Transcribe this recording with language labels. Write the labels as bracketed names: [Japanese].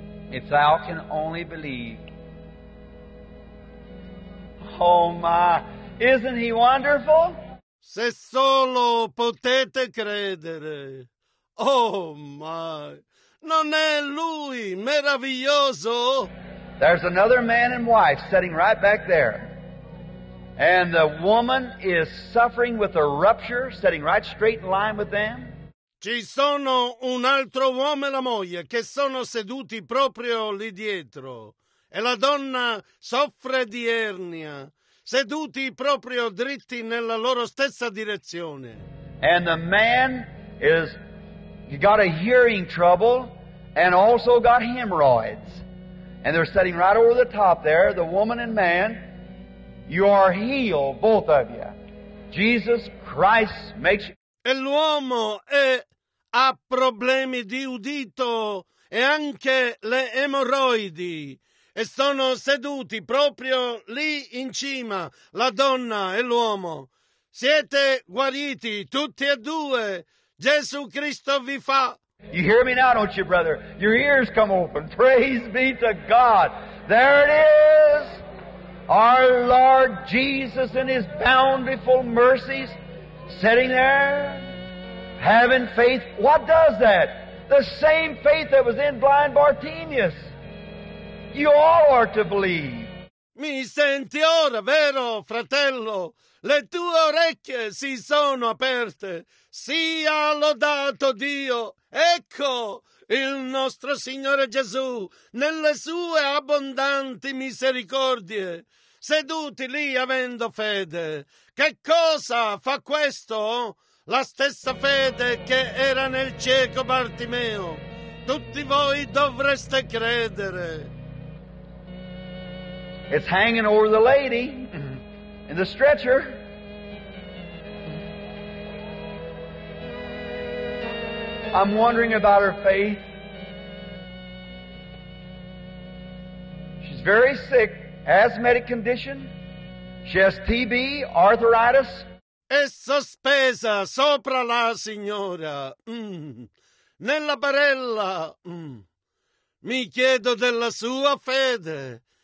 [English] If thou can only believe. Oh my, isn't he wonderful? [Italian] Se solo potete credere. Oh my, non è lui meraviglioso? [English] There's another man and wife sitting right back there. And the woman is suffering with a rupture, sitting right straight in line with them. [Italian] Ci sono un altro uomo e la moglie che sono seduti proprio lì dietro. E la donna soffre di ernia, seduti proprio dritti nella loro stessa direzione. [English] And the man is, he got a hearing trouble and also got hemorrhoids. And they're sitting right over the top there, the woman and man. You are healed, both of you. Jesus Christ makes you. [Italian] E l'uomo ha problemi di udito e anche le emorroidi. E sono seduti proprio lì in cima, la donna e l'uomo. Siete guariti, tutti e due. Gesù Cristo vi fa. [English] You hear me now, don't you, brother? Your ears come open. Praise be to God. There it is. Our Lord Jesus in His bountiful mercies, sitting there, having faith. What does that? The same faith that was in blind Bartimaeus. you all are to believe. [Italian] Mi senti ora, vero, fratello? Le tue orecchie si sono aperte. Sia lodato Dio. Ecco, il nostro Signore Gesù, nelle sue abbondanti misericordie, seduti lì avendo fede. Che cosa fa questo? La stessa fede che era nel cieco Bartimeo. Tutti voi dovreste credere. [English] It's hanging over the lady in the stretcher. I'm wondering about her faith. She's very sick, asthmatic condition. She has TB, arthritis. [Italian] È sospesa sopra la signora. Nella barella. Mi chiedo della sua fede.